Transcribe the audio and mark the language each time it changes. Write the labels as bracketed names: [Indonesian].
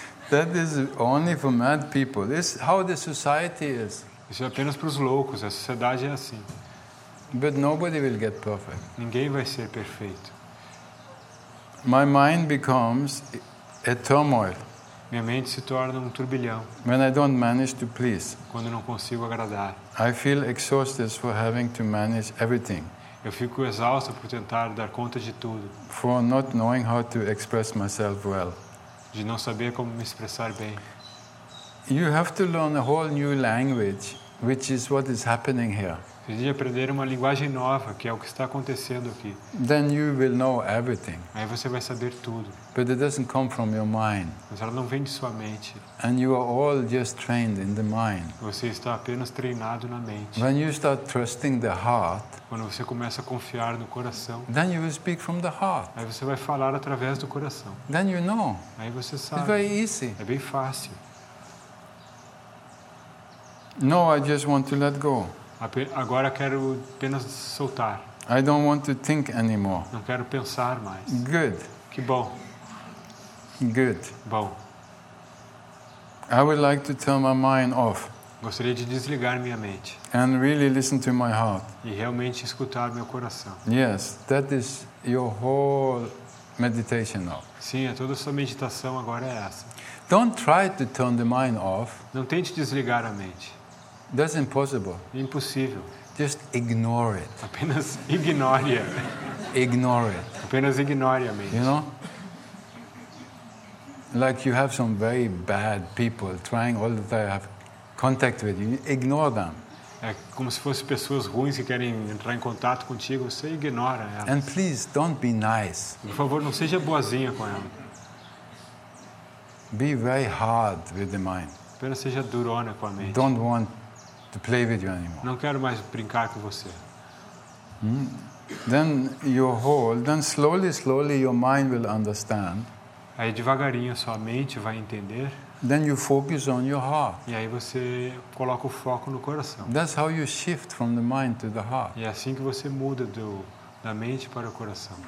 [English] That is only for mad people. This is how the society is. [Portuguese] Isso é apenas para os loucos. A sociedade é assim. [English] But nobody will get perfect. [Portuguese] Ninguém vai ser perfeito. [English] My mind becomes a turmoil. [Portuguese] Minha mente se torna um turbilhão. [English] When I don't manage to please. [Portuguese] Quando eu não consigo agradar. [English] I feel exhausted for having to manage everything. [Portuguese] Eu fico exausto por tentar dar conta de tudo. [English] For not knowing how to express myself well. [Portuguese] De não saber como me expressar bem. [English] You have to learn a whole new language, which is what is happening here. [Portuguese] Você tem que aprender uma linguagem nova, que é o que está acontecendo aqui. [English] Then you will know everything. [Portuguese] Aí você vai saber tudo. [English] But it doesn't come from your mind. [Portuguese] Mas ela não vem de sua mente. [English] And you are all just trained in the mind. [Portuguese] Você está apenas treinado na mente. [English] When you start trusting the heart, [Portuguese] quando você começa a confiar no coração, [English] then you will speak from the heart. [Portuguese] Aí você vai falar através do coração. [English] Then you know. [Portuguese] Aí você sabe. [English] It's very easy. [Portuguese] É bem fácil. [English] No, I just want to let go. [Portuguese] Agora quero apenas soltar. [English] I don't want to think anymore. [Portuguese] Não quero pensar mais. [English] Good. [Portuguese] Que bom. [English] Good. [Portuguese] Bom. [English] I would like to turn my mind off. [Portuguese] Gostaria de desligar minha mente. [English] And really listen to my heart. [Portuguese] E realmente escutar meu coração. [English] Yes, that is your whole meditation now. [Portuguese] Sim, é toda a sua meditação agora é essa. [English] Don't try to turn the mind off. [Portuguese] Não tente desligar a mente. [English] That's impossible. [Portuguese] Impossível. [English] Just ignore it. [Portuguese] Apenas ignore-a. [English] Ignore it. [Portuguese] Apenas ignore-a mesmo. [English] You know? Like you have some very bad people trying all that I have contact with you. Ignore them. [Portuguese] É como se fossem pessoas ruins que querem entrar em contato contigo. Você ignora elas. [English] And please, don't be nice. [Portuguese] Por favor, não seja boazinha com elas. [English] Be very hard with the mind. [Portuguese] Apenas seja durona com a mente. [English] Don't want to play with you anymore. [Portuguese] Não quero mais brincar com você. [English] Then your whole, then slowly, slowly your mind will understand. [Portuguese] Aí devagarinho sua mente vai entender. [English] Then you focus on your heart. [Portuguese] E aí você coloca o foco no coração. [English] That's how you shift from the mind to the heart. [Portuguese] E é assim que você muda da mente para o coração.